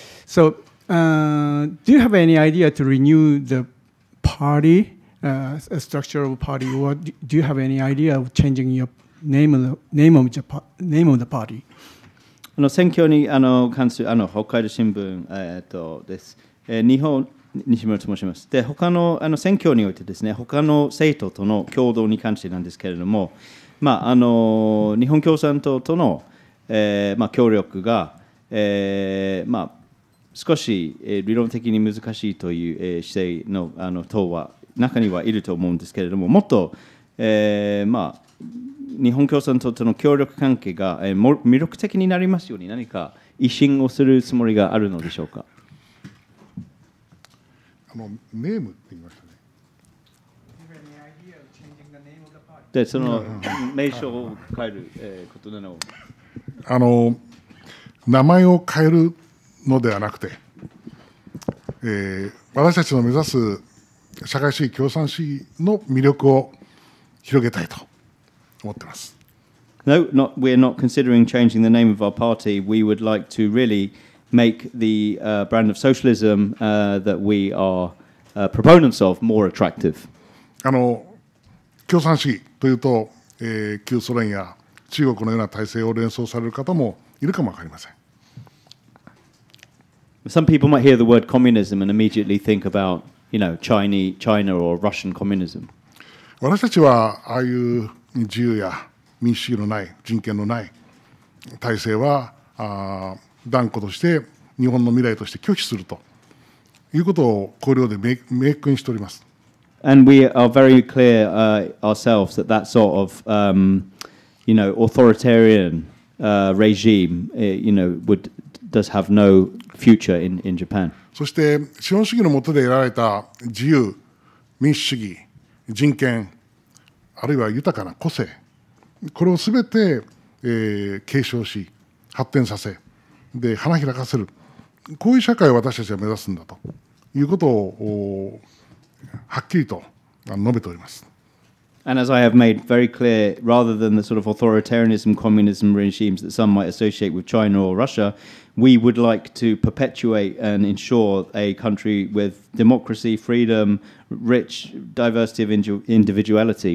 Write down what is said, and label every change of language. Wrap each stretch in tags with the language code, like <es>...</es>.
<en>So do you have any idea to renew the party, a structural party, or do you have any idea of changing your name of the party?</en> <ja>選挙に関する北海道新聞、です。日本、西村と申します。で、他の、選挙においてですね、他の政党との共同に関してなんですけれども、まあ、日本共産党との、協力が、まあ、少し理論的に難しいという姿勢 の, あの党は中にはいると思うんですけれども、もっと、まあ、日本共産党との協力関係が魅力的になりますように何か維新をするつもりがあるのでしょうか。あのネームって言いましたね。でその名称を変えることなの、あの名前を変えるのではなくて、私たちの目指す社会主義共産主義の魅力を広げたいと思ってます。</ja> <en>No, not, we're not considering changing the name of our party. We would like to really make the、brand of socialism、that we are、proponents of more attractive.</en> <ja>あの共産主義というと、旧ソ連や中国のような体制を連想される方もいるかもわかりません。</ja> <en>Some people might hear the word communism and immediately think about, you know, China or Russian communism.</en> <ja>私たちはああいう自由や民主主義のない人権のない体制は断固として日本の未来として拒否するということを綱領で明確にしております。</ja> <en>And we are very clear、ourselves that that sort of、you know, authoritarian、regime、you know, would, does have no future in Japan.</en> <ja>そして資本主義の下で得られた自由、民主主義、人権、あるいは豊かな個性、これをすべて、継承し、発展させ、で花開かせる、こういう社会を私たちは目指すんだということを。はっきりと述べております。</ja> <en>And as I have made very clear, rather than the sort of authoritarianism, communism regimes that some might associate with China or Russia, we would like to perpetuate and ensure a country with democracy, freedom, rich diversity of individuality.</en>